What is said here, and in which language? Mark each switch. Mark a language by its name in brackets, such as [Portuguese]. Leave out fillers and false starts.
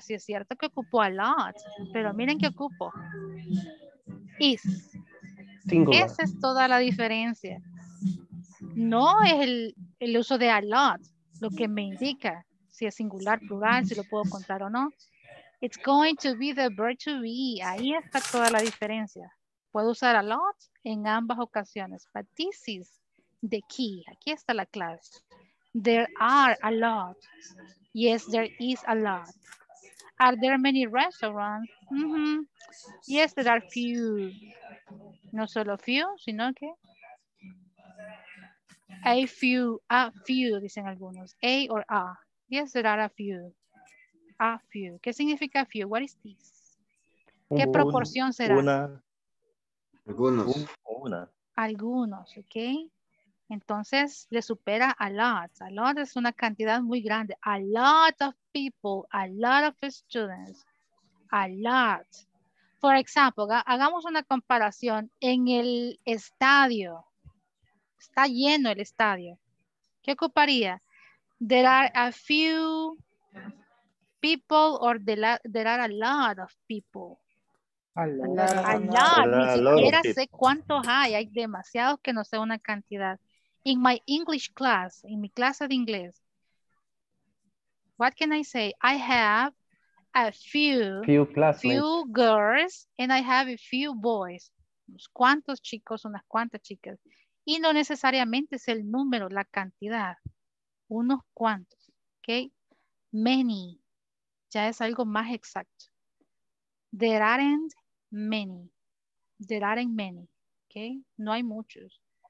[Spanish] Sí, es cierto que ocupo a lot, pero miren qué ocupo. [English] Is. [Spanish] Singular. Esa es toda la diferencia. No es el uso de a lot lo que me indica si es singular, plural, si lo puedo contar o no. [English] It's going to be the verb to be. [Spanish] Ahí está toda la diferencia. Puedo usar a lot en ambas ocasiones. [English] But this is the key. [Spanish] Aquí está la clave. [English] There are a lot. Yes, there is a lot. Are there many restaurants? Mm-hmm. Yes, there are few. [Spanish] No solo few, sino que a few, dicen algunos. [English] A or a. Yes, there are a few. A few. [Spanish] ¿Qué significa few? [English] What is this? [Spanish] ¿Qué proporción será? Una. Algunos. Una. Algunos, ok. Entonces, le supera a lot. A lot es una cantidad muy grande. [English] A lot of people, a lot of students. A lot. For example, [Spanish] hagamos una comparación en el estadio. Está lleno el estadio. ¿Qué ocuparía? [English] There are a few people or there are a lot of people. A lot. [Spanish] Ni siquiera sé cuántos hay. Hay demasiados que no sé una cantidad. [English] In my English class, in [Spanish] mi clase de inglés, [English] what can I say? I have a few classmates, few girls, and I have a few boys. [Spanish] Unos cuantos chicos, unas cuantas chicas. Y no necesariamente es el número, la cantidad. Unos cuantos, okay? Many, ya es algo más exacto. [English] There aren't many. There aren't many, okay? [Spanish] No hay muchos.